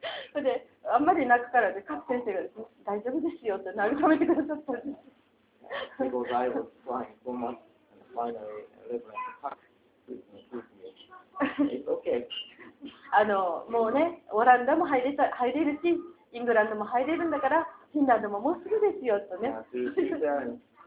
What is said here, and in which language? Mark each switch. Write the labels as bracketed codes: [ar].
[ja] それで、あんまり泣くからで、勝先生が大丈夫ですよって慰めてくださったんです。 [en] Because I was crying so much, and finally, Reverend Park took me. It's okay. [ja] あの、もうね、オランダも入れるし、イングランドも入れるんだから、フィンランドももうすぐですよとね。